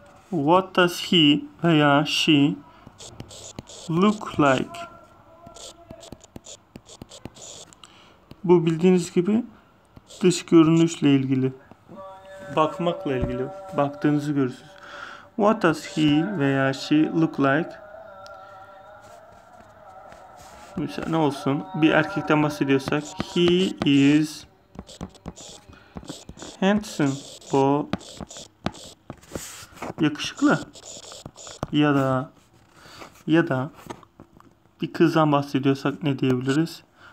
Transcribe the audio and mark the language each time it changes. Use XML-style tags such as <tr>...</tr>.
<en>What does he</en> <tr>veya</tr> <en>she look like?</en> <tr>Bu bildiğiniz gibi dış görünüşle ilgili. Bakmakla ilgili. Baktığınızı görürsünüz.</tr> <en>What does he</en> <tr>veya</tr> <en>she look like?</en> <tr>Mesela ne olsun? Bir erkekten bahsediyorsak.</tr> <en>He is handsome.</en> <tr>O yakışıklı. Ya da bir kızdan bahsediyorsak ne diyebiliriz?</tr>